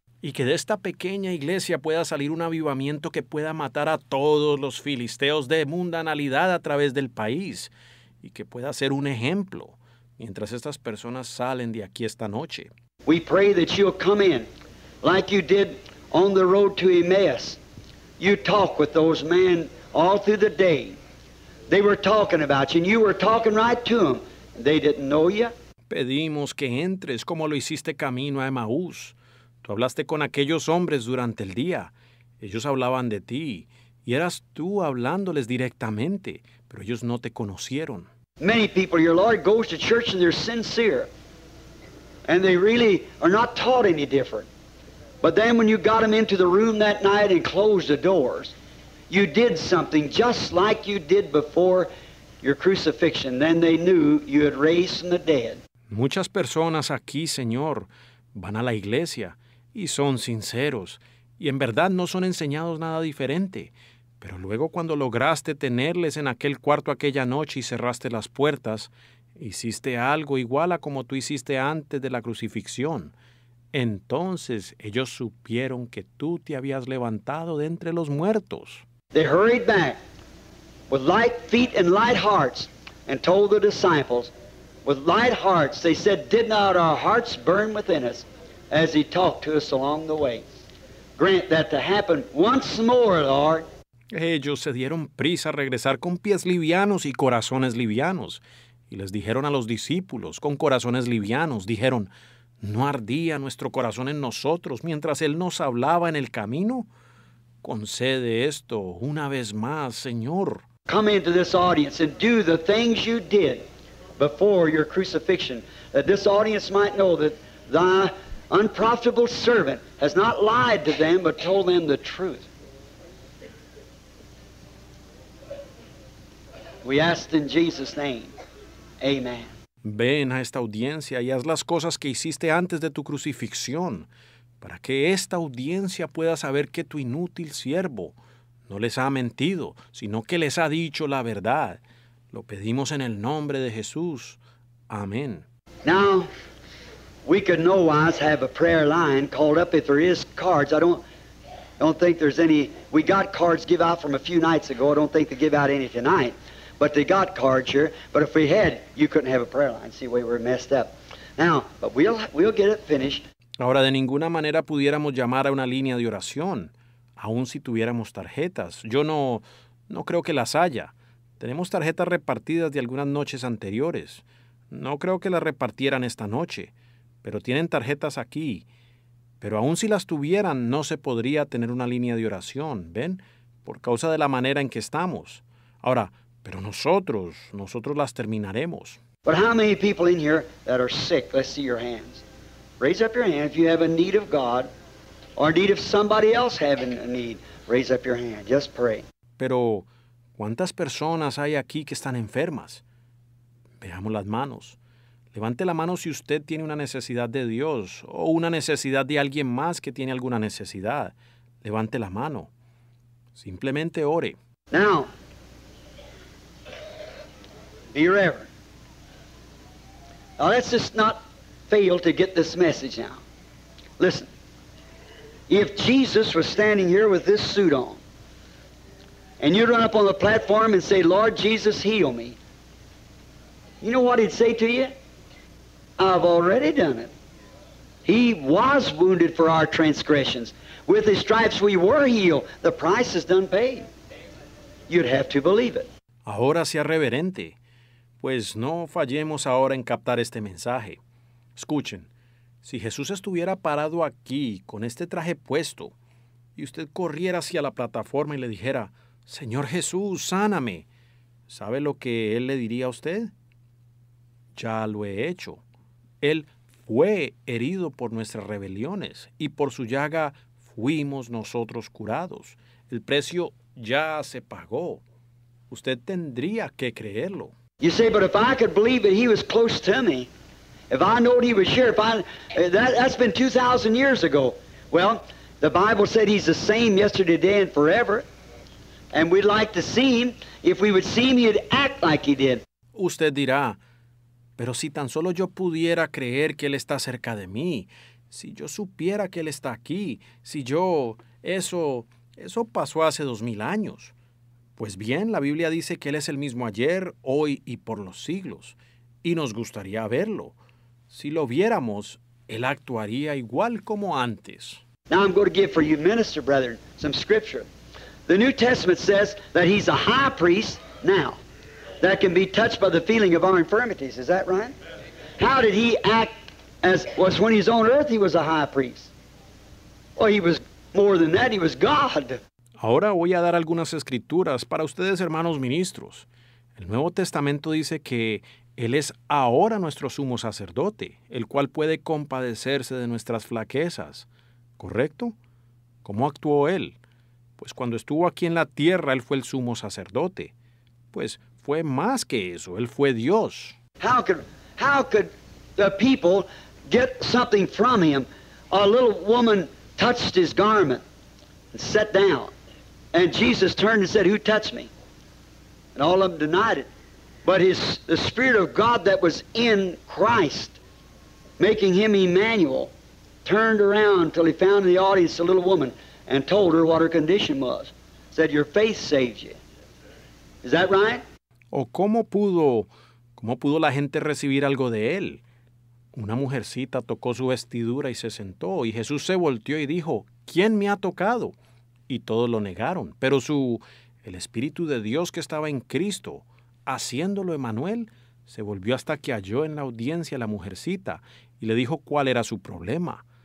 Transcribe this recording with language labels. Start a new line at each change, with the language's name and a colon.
Spanish: Y que de esta pequeña iglesia pueda salir un avivamiento que pueda matar a todos los filisteos de mundanalidad a través del país y que pueda ser un ejemplo mientras estas personas salen de aquí esta noche.
English: We pray that you'll come in like you did on the road to Emmaus. You talk with those men all through the day. They were talking about you, and you were talking right to them. They didn't know you.
Spanish: Pedimos que entres como lo hiciste camino a Emmaús. Tú hablaste con aquellos hombres durante el día. Ellos hablaban de ti, y eras tú hablándoles directamente, pero ellos no te conocieron.
English: Many people, your Lord goes to church and they're sincere, and they really are not taught any different. But then when you got them into the room that night and closed the doors, you did something just like you did before your crucifixion. Then they knew you had raised from the dead.
Spanish: Muchas personas aquí, Señor, van a la iglesia y son sinceros. Y en verdad no son enseñados nada diferente. Pero luego cuando lograste tenerles en aquel cuarto aquella noche y cerraste las puertas, hiciste algo igual a como tú hiciste antes de la crucifixión. Entonces ellos supieron que tú te habías levantado de entre los muertos.
English: They hurried back with light feet and light hearts and told the disciples with light hearts. They said, did not our hearts burn within us as he talked to us along the way? Grant that to happen once more, Lord.
Spanish: Ellos se dieron prisa a regresar con pies livianos y corazones livianos. Y les dijeron a los discípulos con corazones livianos, dijeron, ¿no ardía nuestro corazón en nosotros mientras él nos hablaba en el camino? Concede esto una vez más, Señor.
English: Come into this audience and do the things you did before your crucifixion, that this audience might know that thy unprofitable servant has not lied to them, but told them the truth. We ask in Jesus' name. Amen.
Spanish: Ven a esta audiencia y haz las cosas que hiciste antes de tu crucifixión, para que esta audiencia pueda saber que tu inútil siervo no les ha mentido, sino que les ha dicho la verdad. Lo pedimos en el nombre de Jesús. Amén.
English: Now, we could no wise have a prayer line called up if there is cards. I don't think there's any. We got cards give out from a few nights ago. I don't think they give out any tonight. But they got cards here. But if we had, you couldn't have a prayer line. See, we were messed up. Now, but we'll get it finished.
Spanish: Ahora, de ninguna manera pudiéramos llamar a una línea de oración, aun si tuviéramos tarjetas. Yo no creo que las haya. Tenemos tarjetas repartidas de algunas noches anteriores. No creo que las repartieran esta noche, pero tienen tarjetas aquí. Pero aun si las tuvieran, no se podría tener una línea de oración, ¿ven? Por causa de la manera en que estamos. Ahora, pero nosotros las terminaremos.
English: But how many people in here that are sick? Let's see your hands. Raise up your hand if you have a need of God or a need of somebody else having a need. Raise up your hand. Just pray.
Spanish: Pero, ¿cuántas personas hay aquí que están enfermas? Veamos las manos. Levante la mano si usted tiene una necesidad de Dios o una necesidad de alguien más que tiene alguna necesidad. Levante la mano. Simplemente ore.
English: Now, be reverent. Now, let's just not fail to get this message now. Listen, if Jesus was standing here with this suit on, and you'd run up on the platform and say, Lord Jesus, heal me, you know what he'd say to you? I've already done it. He was wounded for our transgressions. With his stripes we were healed. The price is done paid. You'd have to believe it.
Spanish: Ahora sea reverente, pues no fallemos ahora en captar este mensaje. Escuchen, si Jesús estuviera parado aquí con este traje puesto y usted corriera hacia la plataforma y le dijera, Señor Jesús, sáname, ¿sabe lo que él le diría a usted? Ya lo he hecho. Él fue herido por nuestras rebeliones y por su llaga fuimos nosotros curados. El precio ya se pagó. Usted tendría que creerlo.
English: You say, but if I could believe that he was close to me, if I know he was here, that's been 2,000 years ago. Well, the Bible said he's the same yesterday, today, and forever. And we'd like to see him. If we would see him, he'd act like he did.
Spanish: Usted dirá, pero si tan solo yo pudiera creer que él está cerca de mí, si yo supiera que él está aquí, si yo... Eso pasó hace 2000 años. Pues bien, la Biblia dice que él es el mismo ayer, hoy y por los siglos. Y nos gustaría verlo. Si lo viéramos, él actuaría igual como antes.
English: Now I'm going to give for you, minister, brethren, some scripture. The New Testament says that he's a high priest now that can be touched by the feeling of our infirmities. Is that right? How did he act as was when he's on earth he was a high priest? Well, he was more than that, he was God.
Spanish: Ahora voy a dar algunas escrituras para ustedes, hermanos ministros. El Nuevo Testamento dice que él es ahora nuestro sumo sacerdote, el cual puede compadecerse de nuestras flaquezas. ¿Correcto? ¿Cómo actuó él? Pues cuando estuvo aquí en la tierra, él fue el sumo sacerdote. Pues fue más que eso, él fue Dios.
English: How could the people get something from him? A little woman touched his garment and sat down. And Jesus turned and said, "Who touched me?" And all of them denied it. But the Spirit of God that was in Christ, making him Emmanuel, turned around till he found in the audience a little woman and told her what her condition was. Said, "Your faith saved you." Is that right?
Spanish: ¿O cómo pudo la gente recibir algo de él? Una mujercita tocó su vestidura y se sentó, y Jesús se volteó y dijo, "¿Quién me ha tocado?" Y todos lo negaron. Pero el Espíritu de Dios que estaba en Cristo, haciéndolo Emmanuel, se volvió hasta que halló en la audiencia a la mujercita y le dijo cuál era su problema.